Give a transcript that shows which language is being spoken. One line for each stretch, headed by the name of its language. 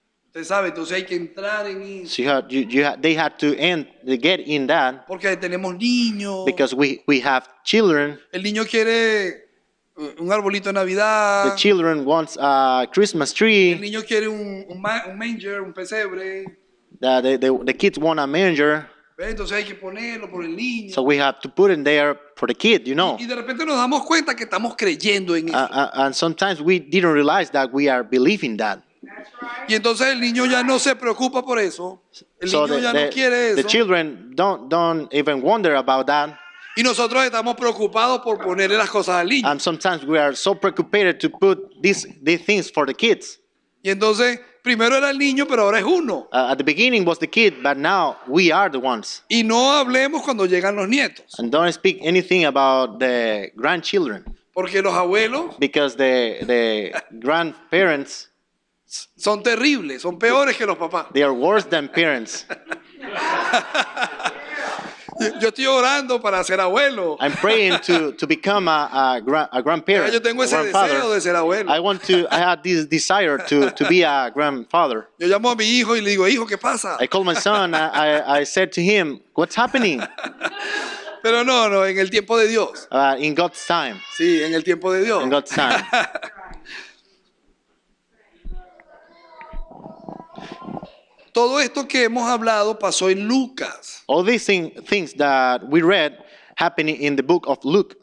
Spanish: Usted sabe, entonces hay que entrar en eso.
English: So they have to get in that.
Spanish: Porque tenemos niños.
English: Because we have children.
Spanish: El niño quiere un arbolito de Navidad.
English: The children wants a Christmas tree.
Spanish: El niño quiere un manger, un pesebre.
English: The kids want a manger.
Spanish: Entonces hay que ponerlo por el niño.
English: So we have to put it there for the kid, you know.
Spanish: Y de repente nos damos cuenta que estamos creyendo en eso.
English: And sometimes we didn't realize that we are believing that.
Spanish: Y entonces el niño ya no se preocupa por eso. El niño ya no quiere eso.
English: The children don't even wonder about that.
Spanish: Y nosotros estamos preocupados por ponerle las cosas al niño.
English: And sometimes we are so preoccupied to put these things for the kids.
Spanish: Y entonces, primero era el niño, pero ahora es uno.
English: At the beginning was the kid, but now we are the ones.
Spanish: Y no hablemos cuando llegan los nietos.
English: And don't speak anything about the grandchildren.
Spanish: Porque los abuelos.
English: Because the grandparents.
Spanish: Son terribles, son peores que los papás.
English: They are worse than parents.
Spanish: Yo estoy orando para ser abuelo.
English: I'm praying to become a grandparent.
Spanish: Yo tengo ese deseo de ser abuelo.
English: I have this desire to be a grandfather.
Spanish: Yo llamo a mi hijo y le digo, hijo, ¿qué pasa?
English: I call my son. I said to him, what's happening?
Spanish: Pero no, en el tiempo de Dios.
English: In God's time.
Spanish: Sí, en el tiempo de Dios.
English: In God's time.
Spanish: Todo esto que hemos hablado pasó en Lucas.
English: All these things that we read happening in the book of Luke.